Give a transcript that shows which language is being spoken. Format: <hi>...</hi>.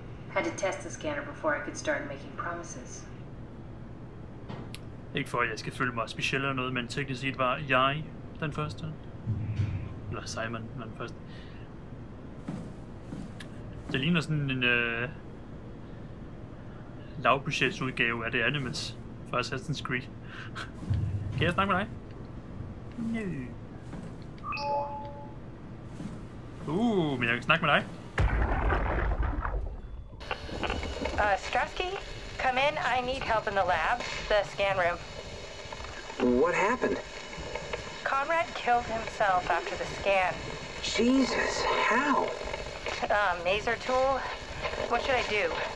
<en>Had to test the scanner before I could start making promises.</en> <da>Ikke for, at jeg skal føle mig speciel eller noget, men teknisk set var jeg den første. Eller Simon var den første. Det ligner sådan en lavbudgetsudgave af det animes fra Assassin's Creed. Kan jeg snakke med dig? Nø. Men jeg kan snakke med dig.</da> <en>Strusky, come in. I need help in the lab, the scan room. What happened? Conrad killed himself after the scan. Jesus, how? Maser tool? What should I do?</en>